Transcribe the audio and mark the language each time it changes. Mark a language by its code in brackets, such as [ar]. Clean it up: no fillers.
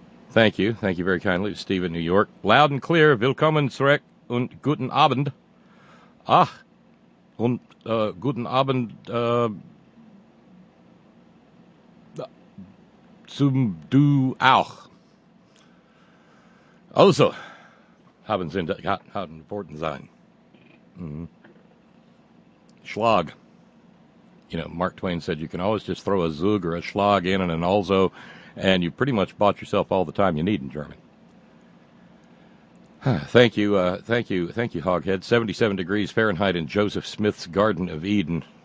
[en] Thank you. Thank you very kindly to Steve in New York. Loud and clear. [de] Willkommen zurück und guten Abend. Ach, und guten Abend zum Du auch. Also, haben Sie haben Worten sein. Mm-hmm. Schlag. [en] You know, Mark Twain said you can always just throw a Zug or a Schlag in and an also, and you pretty much bought yourself all the time you need in German. Thank you, Hoghead. 77 degrees Fahrenheit in Joseph Smith's Garden of Eden.